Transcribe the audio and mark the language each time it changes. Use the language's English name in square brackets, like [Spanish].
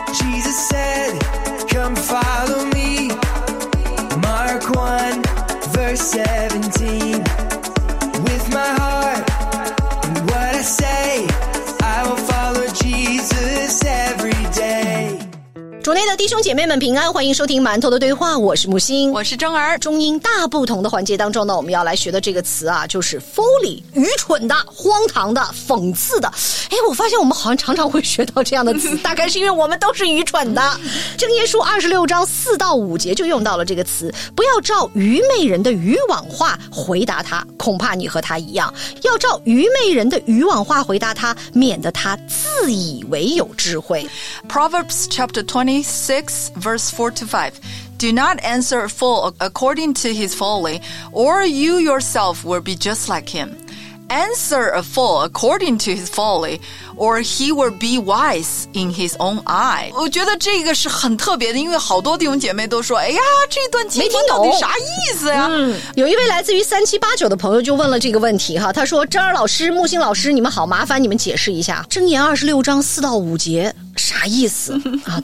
[English] Jesus said, come follow me. Mark 1, verse 17. With my heart, what I say, I will follow Jesus every day. [Chinese] 主内的弟兄姐妹们平安，欢迎收听馒头的对话，我是木星，我是真儿。中英大不同的环节当中呢，我们要来学的这个词啊，就是 folly， 愚蠢的、荒唐的、讽刺的。哎，我发现我们好像常常会学到这样的词，大概是因为我们都是愚蠢的。箴言书26:4-5就用到了这个词，不要照愚昧人的愚妄话回答他，恐怕你和他一样。要照愚昧人的愚妄话回答他，免得他自以为有智慧。 [English] Proverbs chapter 26:4-5. Do not answer a fool according to his folly, or you yourself will be just like him. Answer a fool according to his folly, or he will be wise in his own eye. [Chinese] 我觉得这个是很特别的，因为好多弟兄姐妹都说，哎呀，这段经文没听懂，到底啥意思呀？有一位来自于3789的朋友就问了这个问题哈，他说，真儿老师、木星老师，你们好，麻烦你们解释一下，箴言26:4-5啥意思啊？